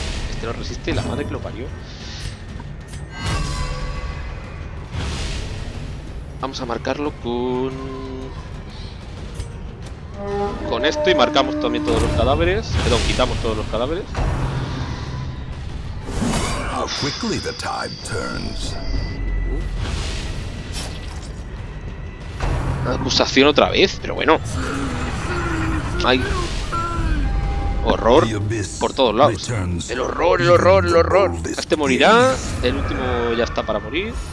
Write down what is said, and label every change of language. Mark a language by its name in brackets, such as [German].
[Spanish] Este lo resiste, la madre que lo parió. Vamos a marcarlo con... con esto y marcamos también todos los cadáveres. Perdón, quitamos todos los cadáveres. [English] How quickly the time turns. [Spanish] Acusación otra vez, pero bueno. Ay. Horror por todos lados. El horror, el horror, el horror. Este morirá. El último ya está para morir.